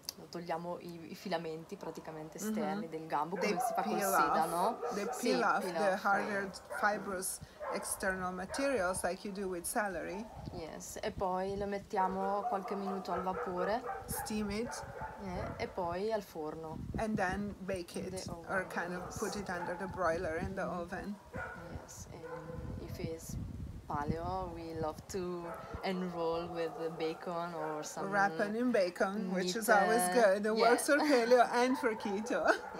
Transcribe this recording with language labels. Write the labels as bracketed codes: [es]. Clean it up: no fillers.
[it] Togliamo i filamenti praticamente esterni del gambo, come si fa col seta, no? [en] They peel off the harder fibrous external materials like you do with celery. [it] Yes, e poi lo mettiamo qualche minuto al vapore. [en] Steam it. [it] E poi al forno. [en] And then bake it, or kind of put it under the broiler in the oven. Yes, and if it's paleo, we love to enroll with the bacon or some wrap it in bacon, meat, which is always good. It works for paleo and for keto.